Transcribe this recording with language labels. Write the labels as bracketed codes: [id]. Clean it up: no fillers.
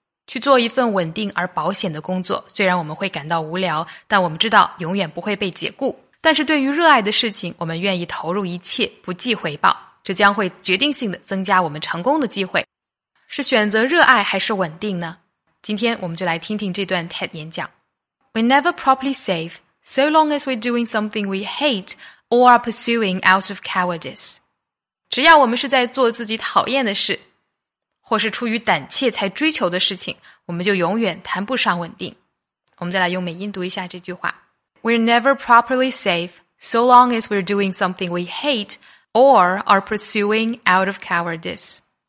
[zh] 去做一份稳定而保险的工作，虽然我们会感到无聊，但我们知道永远不会被解雇。但是对于热爱的事情，我们愿意投入一切，不计回报。这将会决定性的增加我们成功的机会。是选择热爱还是稳定呢？今天我们就来听听这段 TED 演讲。 [en] We're never properly safe, so long as we're doing something we hate or are pursuing out of cowardice. [zh] 只要我们是在做自己讨厌的事，或是出于胆怯才追求的事情，我们就永远谈不上稳定。我们再来用美音读一下这句话。 [en] We're never properly safe, so long as we're doing something we hate or are pursuing out of cowardice.